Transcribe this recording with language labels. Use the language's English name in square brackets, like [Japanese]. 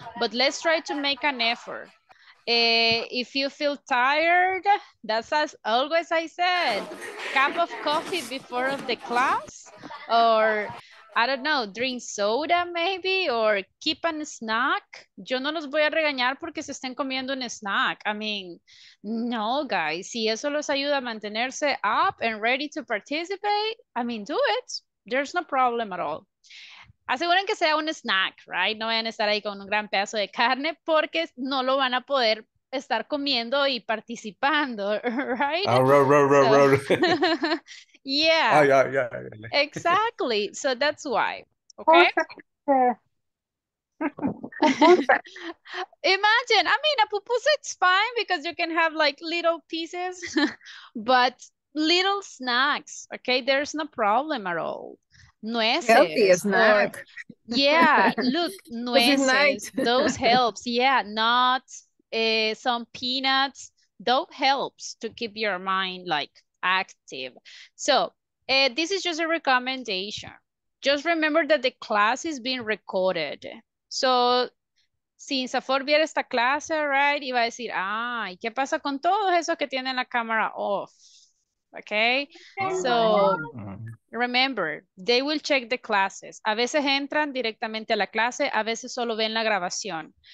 [English] But let's try to make an effort. If you feel tired, that's as always I said, cup of coffee before of the class, or I don't know, drink soda maybe, or keep a snack. [Spanish] Yo no los voy a regañar porque se estén comiendo un snack. [English] I mean, no, guys. [Spanish] Si eso los ayuda a mantenerse [English] up and ready to participate, I mean, do it. There's no problem at all. [Spanish] Aseguren que sea un snack, [English] right? [Spanish] No vayan a estar ahí con un gran pedazo de carne porque no lo van a poder estar comiendo y participando, right? [English] Yeah. Exactly. So that's why. Okay. Imagine. I mean, a pupusa, it's fine because you can have like little pieces, but little snacks. Okay. There's no problem at all. Nueces. Healthy snack. Yeah. Look, nueces. Those helps. Yeah. Nuts, some peanuts. Those helps to keep your mind like active. So, this is just a recommendation. Just remember that the class is being recorded. [Spanish] So, si INSSS viera esta clase, right, iba a decir, ay, ¿qué pasa con todos esos que tienen la cámara off? Okay? [English] So, remember, they will check the classes. [Spanish] A veces entran directamente a la clase, a veces solo ven la grabación.